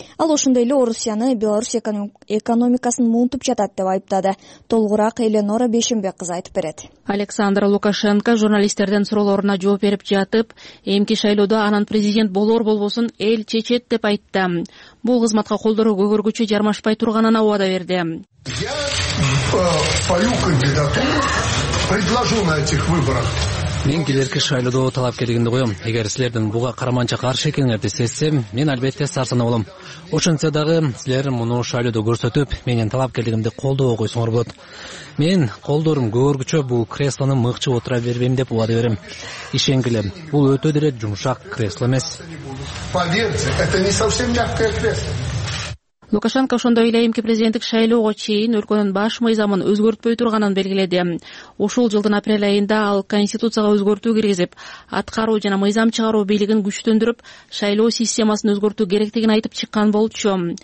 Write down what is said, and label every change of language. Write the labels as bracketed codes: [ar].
[ky] Ал ошондой эле Орусияны Беларусь экономикасын муунтуп жатат деп айыптады. Толугураак Эленора Бешимбек кызы айтып берет. Александр Лукашенко журналисттердин суроолоруна жооп берип жатып, эмки шайлоодо анын президент болор болбосун эл чечет деп айтты. Бул кызматка колдоруу көгөргүчү жармашпай турганына убада берди. [ru] Я пою кандидатуру, предложу на этих выборах. [ky] Мен келерки шайлоодо талапкерлигимди коем. Эгер силердин буга караманча каршы экениңерди сезсем, мен албетте сарсана болом. Ошентсе дагы силер муну шайлоодо көрсөтүп, менин талапкерлигимди колдоого койсоңор болот. Мен колдорум көгөргүчө бул креслону мыкчы отура бербейм деп убада берем. Ишенгилем, бул өтө деле жумшак кресло эмес. [ru] Поверьте, это не совсем мягкое кресло. [ky] Лукашенко ошондой эле эмки президенттик шайлоого чейин өлкөнүн баш мыйзамын өзгөртпөй турганын белгиледи. Ушул жылдын апрель айында ал конституцияга өзгөртүү киргизип, аткаруу жана мыйзам чыгаруу бийлигин күчтөндүрүп, шайлоо системасын өзгөртүү керектигин айтып чыккан болчу.